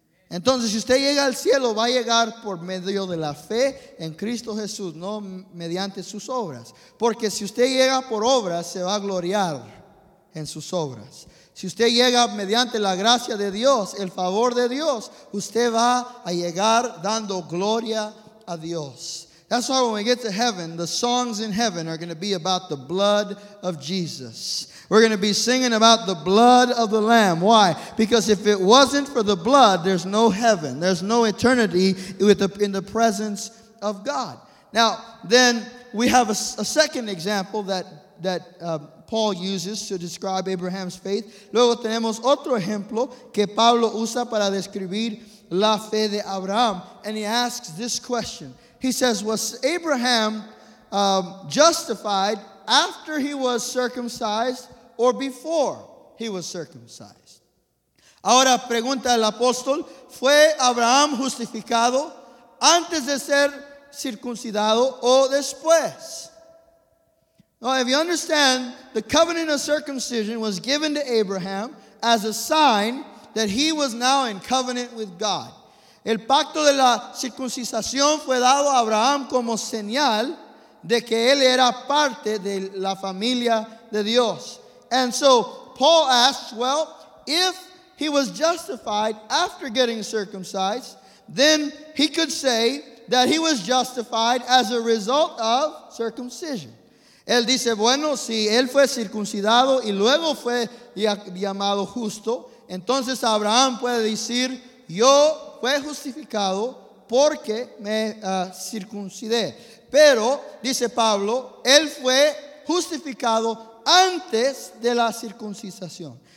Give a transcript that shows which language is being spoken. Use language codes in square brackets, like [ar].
[es] Entonces, si usted llega al cielo, va a llegar por medio de la fe en Cristo Jesús, no mediante sus obras. Porque si usted llega por obras, se va a gloriar en sus obras. Si usted llega mediante la gracia de Dios, el favor de Dios, usted va a llegar dando gloria a Dios. [en] That's why when we get to heaven, the songs in heaven are going to be about the blood of Jesus. We're going to be singing about the blood of the Lamb. Why? Because if it wasn't for the blood, there's no heaven. There's no eternity in the presence of God. Now, then we have a second example that Paul uses to describe Abraham's faith. [es] Luego tenemos otro ejemplo que Pablo usa para describir la fe de Abraham. [en] And he asks this question. He says, was Abraham justified after he was circumcised or before he was circumcised? [es] Ahora pregunta el apóstol, ¿fue Abraham justificado antes de ser circuncidado o después? [en] Now, if you understand, the covenant of circumcision was given to Abraham as a sign that he was now in covenant with God. [es] El pacto de la circuncisación fue dado a Abraham como señal de que él era parte de la familia de Dios. [en] And so Paul asks, well, if he was justified after getting circumcised, then he could say that he was justified as a result of circumcision. [es] Él dice, bueno, si él fue circuncidado y luego fue llamado justo, entonces Abraham puede decir, yo fue justificado porque me circuncidé. Pero, dice Pablo, él fue justificado antes de la circuncisación.